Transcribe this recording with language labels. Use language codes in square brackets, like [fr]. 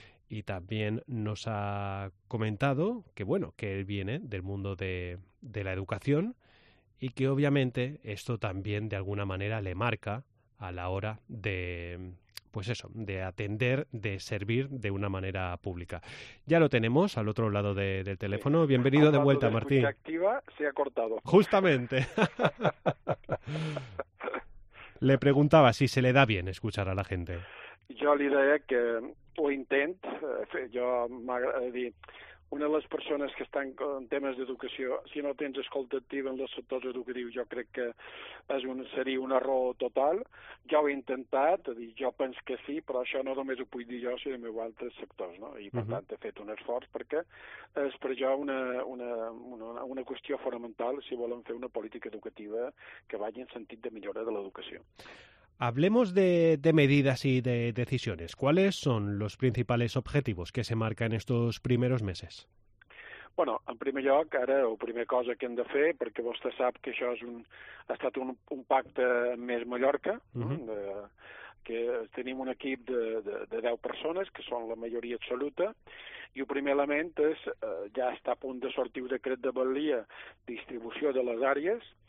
[es] Y también nos ha comentado que, bueno, que él viene del mundo de la educación y que obviamente esto también de alguna manera le marca a la hora de, pues eso, de atender, de servir de una manera pública. Ya lo tenemos al otro lado del teléfono. Sí. Bienvenido de vuelta, Martín. La activa se ha cortado. Justamente. Le preguntaba si se le da bien escuchar a la gente. [ca] Jo li deia que ho intent. Jo m'agrada dir, una de les persones que estan en temes d'educació, si no tens escolta activa en els sectors educatius, jo crec que seria un error total. Jo ho he intentat, dir, jo penso que sí, però això no només ho puc dir jo, sinó en altres sectors, no? I, per tant, he fet un esforç perquè és per jo una qüestió fonamental si volem fer una política educativa que vagi en sentit de millora de l'educació. [es] Hablemos de medidas y de decisiones. ¿Cuáles son los principales objetivos que se marcan estos primeros meses? [ca] Bueno, en primer lloc, ara, la primera cosa que hem de fer, perquè vostè sap que això ha estat un pacte més Mallorca, que tenim un equip de 10 persones, que són la majoria absoluta, i el primer element és, ja està a punt de sortir el decret de valia, distribució de les àrees,